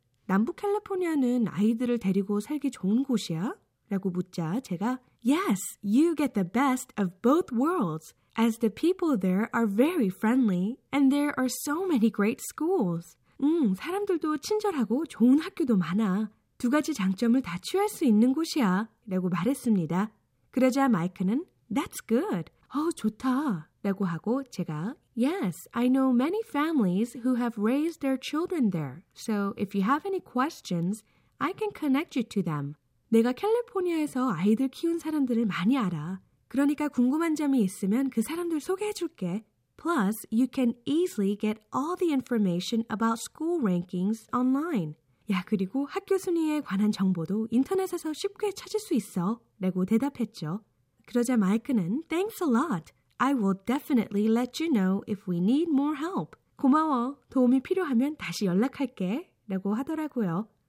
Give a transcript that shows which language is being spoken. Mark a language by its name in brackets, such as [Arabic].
[Korean] 남부 캘리포니아는 아이들을 데리고 살기 좋은 곳이야? 라고 묻자 제가 [English] Yes, you get the best of both worlds, as the people there are very friendly and there are so many great schools. [Korean] 사람들도 친절하고 좋은 학교도 많아. 두 가지 장점을 다 취할 수 있는 곳이야 라고 말했습니다. 그러자 마이크는 [English] That's good. [Korean] 좋다 라고 하고 제가 [English] Yes, I know many families who have raised their children there. So if you have any questions, I can connect you to them. [Korean] 내가 캘리포니아에서 아이들 키운 사람들을 많이 알아. 그러니까 궁금한 점이 있으면 그 사람들 소개해 줄게. [English] Plus, you can easily get all the information about school rankings online. [Korean] 야, 그리고 학교 순위에 관한 정보도 인터넷에서 쉽게 찾을 수 있어 라고 대답했죠. 그러자 마이크는 [English] Thanks a lot. I will definitely let you know if we need more help. [Korean] 고마워. 도움이 필요하면 다시 연락할게 라고 하더라고요.